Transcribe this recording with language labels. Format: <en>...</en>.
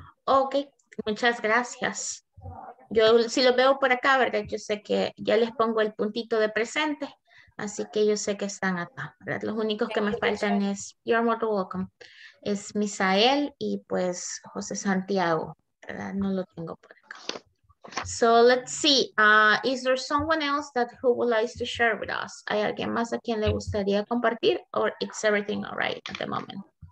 <es>Ok, muchas gracias. Yo si lo veo por acá, ¿verdad? Yo sé que ya les pongo el puntito de presente. Así que yo sé que están acá, ¿verdad? Los únicos que me faltan es,</es> <en>you're more welcome,</en> <es>es Misael y pues José Santiago, ¿verdad? No lo tengo por acá.</es> <en>So let's see, is there someone else that who would like to share with us?</en> <es>¿Hay alguien más a quien le gustaría compartir?</es> <en>Or it's everything all right at the moment?</en>